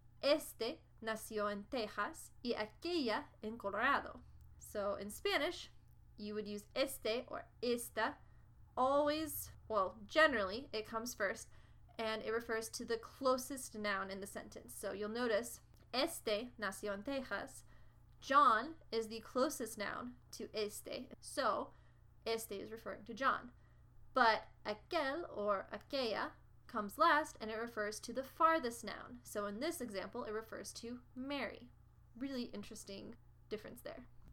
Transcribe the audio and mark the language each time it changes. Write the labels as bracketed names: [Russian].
[Spanish] Este nació en Texas y aquella en Colorado. [English] So in Spanish, you would use este or esta always, well, generally, it comes first and it refers to the closest noun in the sentence. So you'll notice, [Spanish] este nació en Texas. [English] John is the closest noun to este. So este is referring to John. But aquel or aquella comes last and it refers to the farthest noun. So in this example, it refers to Mary. Really interesting difference there.